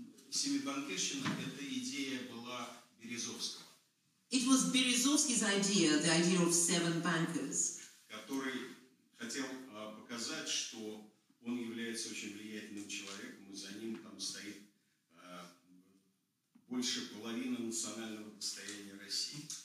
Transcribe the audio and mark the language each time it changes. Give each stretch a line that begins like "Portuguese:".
Russian: Семибанкирщина, эта идея была Березовского.
English: It was Berezovsky's idea, the idea of seven bankers.
Russian: Который хотел показать, что он является очень влиятельным человеком, и за ним там стоит больше половины национального достояния России.